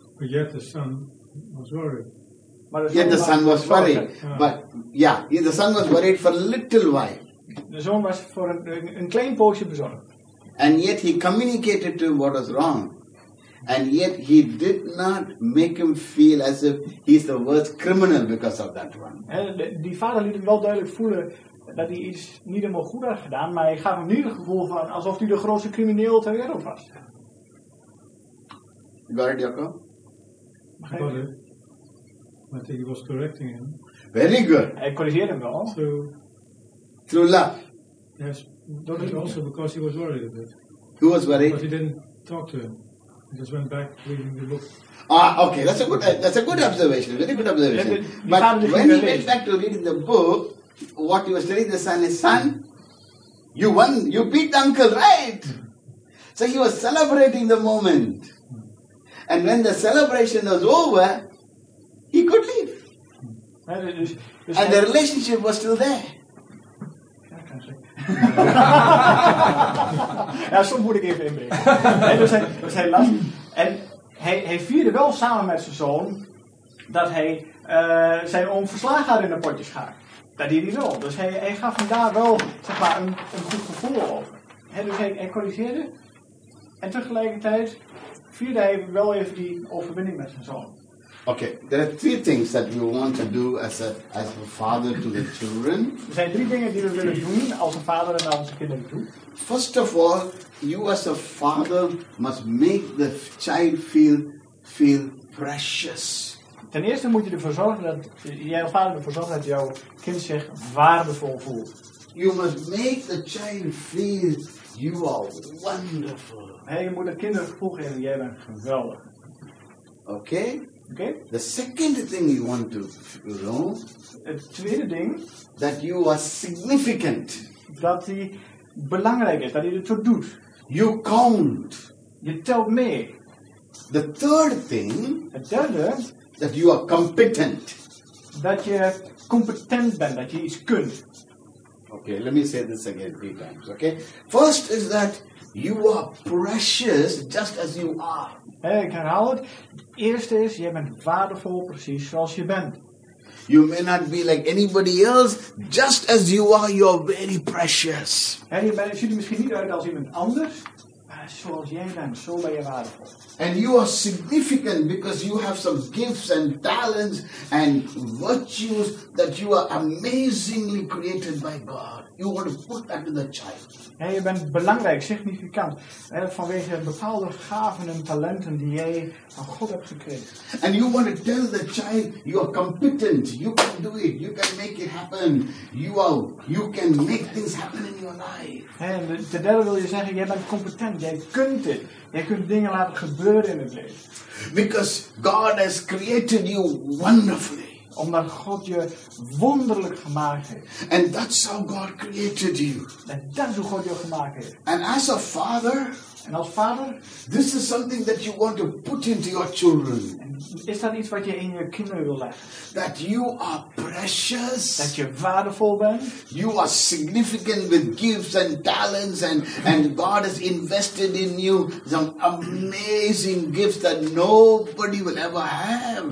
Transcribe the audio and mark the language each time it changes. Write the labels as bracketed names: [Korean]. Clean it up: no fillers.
[English] But yet the son was worried. [Dutch] Maar de zoon [English] yet the son was worried. The son was worried for a little while. [Dutch] De zoon was voor een klein poosje bezorgd. [English] And yet he communicated to him what was wrong. And yet he did not make him feel as if he's the worst criminal because of that one. [Dutch] Die vader liet hem wel duidelijk voelen dat hij iets niet helemaal goed had gedaan, maar hij gaf hem niet het gevoel van alsof hij de grootste crimineel ter wereld was. [English] Got it, Jacob? I think he was correcting him. Very good. [Dutch] Hij corrigeerde hem wel. [English] Through love. Yes. Don't it also because he was worried a bit. He was worried? But he didn't talk to him. He just went back reading the book. Ah, okay. That's a good observation. Very good observation. But when he went back to reading the book, what he was telling the son is, son, you won. You beat the uncle, right? So he was celebrating the moment. And when the celebration was over, he could leave. And the relationship was still there. [Dutch] Ja, zo moet ik even inbrengen. Nee, dus hij las. En hij vierde wel samen met zijn zoon dat hij zijn oom verslagen had in een potje schaak. Dat deed hij wel. Dus hij gaf hem daar wel zeg maar, een goed gevoel over. He, dus hij corrigeerde. En tegelijkertijd vierde hij wel even die overwinning met zijn zoon. [English] Okay, there are three things that we want to do as a father to the children. [Dutch] Er zijn drie dingen die we willen doen als een vader en als een kinderen toe. [English] First of all, you as a father must make the child feel precious. [Dutch] Ten eerste moet je ervoor zorgen dat jij als vader ervoor zorgt dat jouw kind zich waardevol voelt. [English] You must make the child feel you are wonderful. [Dutch] Hey, je moet het kind het gevoel geven jij bent geweldig. [English] Okay. Okay. The second thing you want to know, [Dutch] het tweede ding, [English] that you are significant, [Dutch] dat hij belangrijk is, dat hij het zo doet. [English] You count, [Dutch] je telt mee. [English] The third thing, [Dutch] het derde, [English] that you are competent. [Dutch] Dat je competent bent, dat je iets kunt. [English] Okay, let me say this again 3 times, okay? First is that you are precious just as you are. [Dutch] Hey, ik herhaal het. Eerste is, je bent waardevol precies zoals je bent. [English] You may not be like anybody else, just as you are, you are very precious. [Dutch] En je ziet er misschien niet uit als iemand anders, maar zoals jij bent, zo ben je waardevol. [English] And you are significant because you have some gifts and talents and virtues that you are amazingly created by God. You want to put that in the child. [Dutch] En je bent belangrijk, significant, vanwege bepaalde gaven en talenten die jij van God hebt gekregen. [English] And you want to tell the child you are competent, you can do it, you can make it happen, you can make things happen in your life. [Dutch] En de derde wil je zeggen, jij bent competent, jij kunt het. Jij kunt dingen laten gebeuren in het leven. [English] Because God has created you wonderfully. [Dutch] Omdat God je wonderlijk gemaakt heeft. [English] And that's how God created you. [Dutch] En dat is hoe God je gemaakt heeft. [English] And as a father, [Dutch] en als vader, [English] this is something that you want to put into your children. [Dutch] Is dat iets wat je in je kinderen wil leggen? [English] That you are precious. [Dutch] Dat je waardevol bent. [English] You are significant with gifts and talents and God has invested in you some amazing gifts that nobody will ever have.